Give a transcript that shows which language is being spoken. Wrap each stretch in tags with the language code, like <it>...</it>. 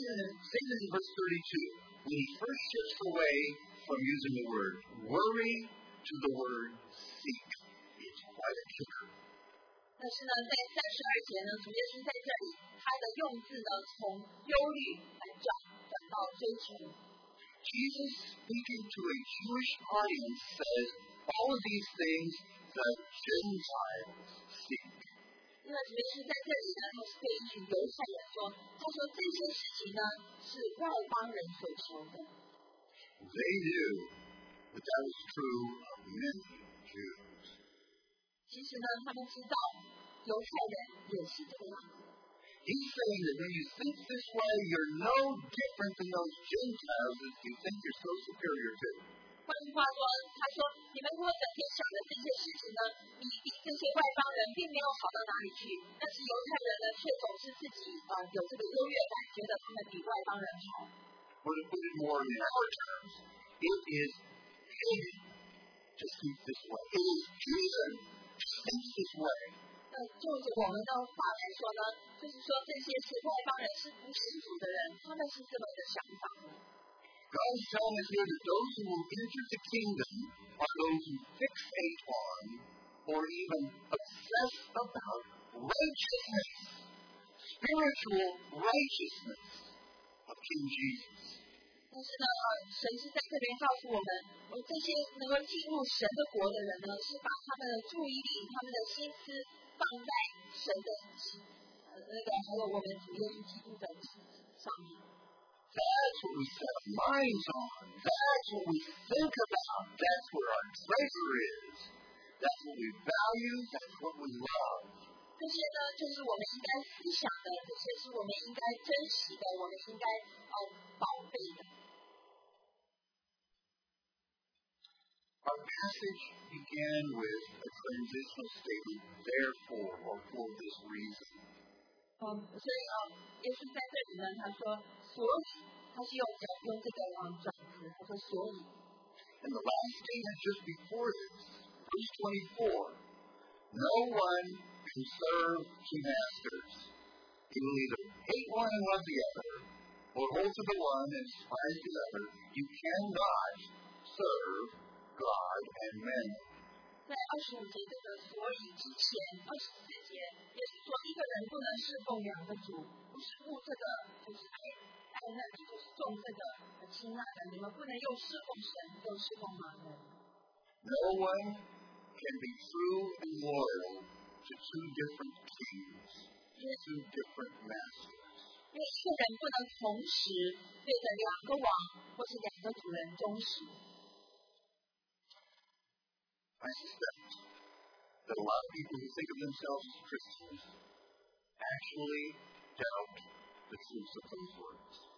<en>When he first shifts away from using the word worry to the word seek, it's quite a kicker.</en> <zh>但是呢，在三十二节呢，主耶稣在这里，他的用字呢，从忧虑来转到追求。</zh> <en>Jesus speaking to a Jewish audience says all of these things that Gentiles seek.</en> <zh>因为主耶稣在这里呢，他是对一群犹太人说，他说这些事情呢是外邦人所求的。</zh> <en>They knew that that was true of many Jews.</en> <zh>其实呢，他们知道犹太人也是这样。</zh> <en>He's saying that when you think this way, you're no different than those Gentiles that you think you're so superior to.</en> <zh>换句话说，他说你们如果整天想的这些事情呢？这些外邦人并没有好到哪里去，但是犹太人呢，却总是自己有这个优越感，觉得他们比外邦人好。</zh> <en>Put it more in our terms, it is treason to speak this way. It is treason to speak this way.</en> <zh>就着我们的话来说呢，就是说这些是外邦人，是不信主的人，他们是这么的想法的。</zh> <en>God is telling us here that those who will enter the kingdom are those who fixate on. Or even obsessed about righteousness, spiritual righteousness of King Jesus.</en> <zh>但是呢，神是在这边告诉我们，这些能够进入神的国的人呢，是把他们的注意力、他们的心思放在神的我们主耶稣基督的上面。</zh> <en>That's what we set our minds on. That's what we think about. That's where our treasure is. That's what we value, that's what we love.</en> <zh>这些呢，就是我们应该思想的，这些是我们应该珍惜的，我们应该宝贝的。</zh> <en>Our passage began with a transitional statement, therefore, or for this reason.</en> <zh>所以耶稣在这里呢，他说，所以他是用讲用这个转词，他说所以。</zh> <en>And the last statement just before this, verse 24, no one can serve two masters. He will either hate one and love the other, or hold to the one and despise the other. You cannot serve God and men.</en> <zh>在二十五节这个所以之前，二十四节也是说，一个人不能侍奉两个主，不是顾这个，就是爱爱那个，就是重这个，轻那个。你们不能又侍奉神，又侍奉马门。</zh> <en>No one can be true and loyal to two different kings, two different masters.</en> <zh>因为一个人不能同时对着两个王或是两个主人忠实。</zh> <en>I suspect that a lot of people who think of themselves as Christians actually doubt the truth of those words.</en>